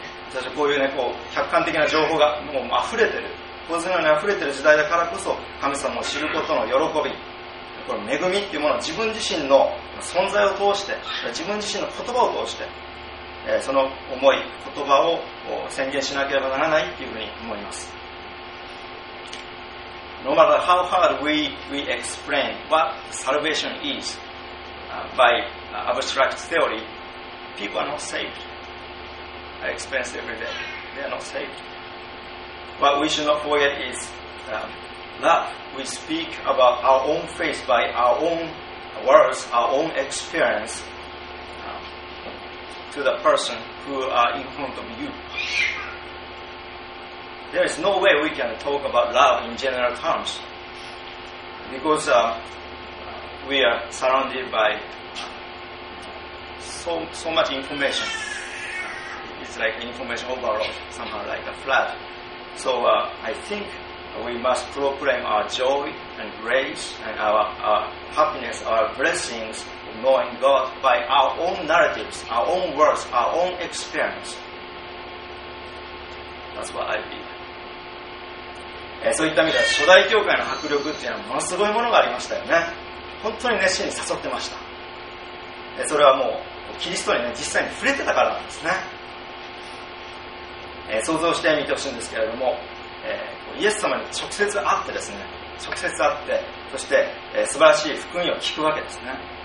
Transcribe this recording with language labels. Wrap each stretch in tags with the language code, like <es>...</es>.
<ja>私はこういうね、こう客観的な情報がもう溢れてる、洪水のように溢れてる時代だからこそ、神様を知ることの喜び、この恵みっていうものを自分自身の存在を通して、自分自身の言葉を通して、その思い言葉をこう宣言しなければならないっていうふうに思います。</ja> <en>No matter how hard we explain what salvation is by abstract theoryPeople are not saved. I experience every day. They are not saved. What we should not forget is that we speak about our own faith by our own words, our own experience to the person who are in front of you. There is no way we can talk about love in general terms because we are surrounded by So much information. It's like information overload, somehow like a flood. So I think we must proclaim our joy and grace and our happiness, our blessings, knowing God by our own narratives, our own words, our own experience. That's what I believe.</en> <ja>そういった意味では初代教会の迫力っていうのはものすごいものがありましたよね。本当に熱心に誘ってました。それはもうキリストに、ね、実際に触れてたからなんですね。想像してみてほしいんですけれども、イエス様に直接会ってですね、直接会って、そして、素晴らしい福音を聞くわけですね。</ja>